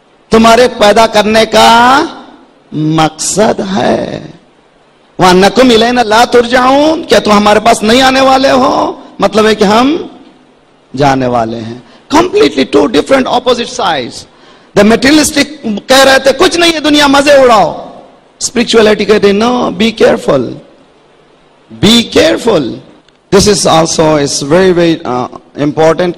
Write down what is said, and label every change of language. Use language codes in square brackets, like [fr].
[ur] تمہارے پیدا کرنے کا مقصد ہے. [ar] وَأَنَّكُمْ إِلَيْنَا لَا تُرْجَعُونَ, [ur] کیا تم ہمارے پاس نہیں آنے والے ہو, مطلب ہے کہ ہم جانے والے ہیں. [en] Completely two different opposite sides. The materialistic [ur] کہہ رہے تھے کچھ نہیں ہے دنیا, مزے اڑاؤ. [en] spirituality [ur] کہتے [en] No, be careful, be careful. This is also is very very important.